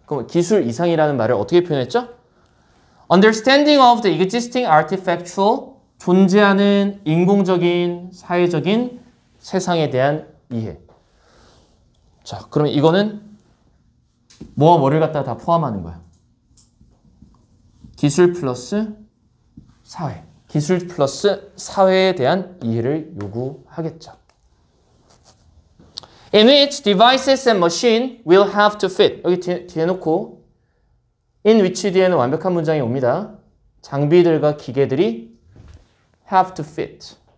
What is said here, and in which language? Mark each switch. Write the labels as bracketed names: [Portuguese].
[Korean] 그럼 기술 이상이라는 말을 어떻게 표현했죠? [English] Understanding of the existing artifactual [Korean] 존재하는 인공적인 사회적인 세상에 대한 이해. 자, 그럼 이거는 뭐와 뭐를 갖다 다 포함하는 거야? 기술 플러스 사회. 기술 플러스 사회에 대한 이해를 요구하겠죠. [English] In which devices and machine will have to fit. [Korean] 여기 뒤에 놓고 in which 뒤에는 완벽한 문장이 옵니다. 장비들과 기계들이 [English] have to fit.